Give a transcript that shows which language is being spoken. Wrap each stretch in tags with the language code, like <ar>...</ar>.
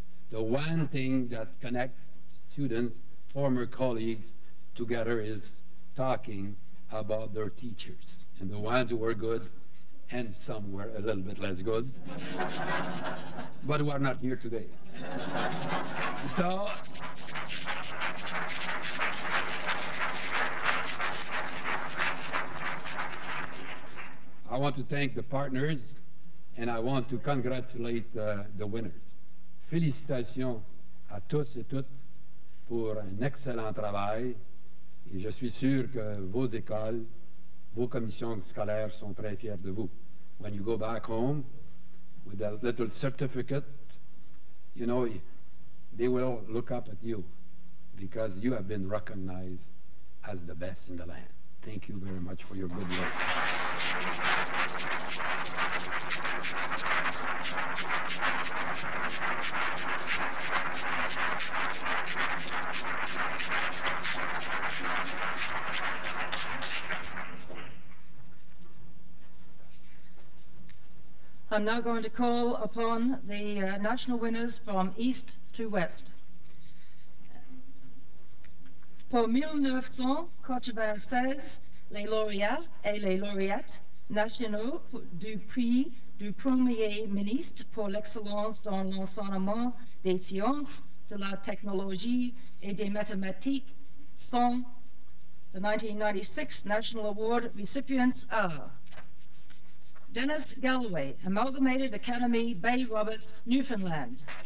<en>The one thing that connects students, former colleagues, together is talking about their teachers and the ones who were good and some were a little bit less good, but who are not here today. So, I want to thank the partners, and I want to congratulate the winners.</en> <fr>Félicitations à tous et toutes pour un excellent travail. Et je suis sûr que vos écoles, vos commissions scolaires sont très fiers de vous.</fr> <en>When you go back home with that little certificate, you know, they will look up at you because you have been recognized as the best in the land. Thank you very much for your good work. I'm now going to call upon the national winners from east to west.</en> <fr>Pour 1996, les lauréats et les lauréates nationaux du prix du premier ministre pour l'excellence dans l'enseignement des sciences, de la technologie et des mathématiques sont</fr> <en>the 1996 National Award recipients are</en> <fr>Dennis Galloway, Amalgamated Academy, Bay Roberts, Newfoundland.</fr>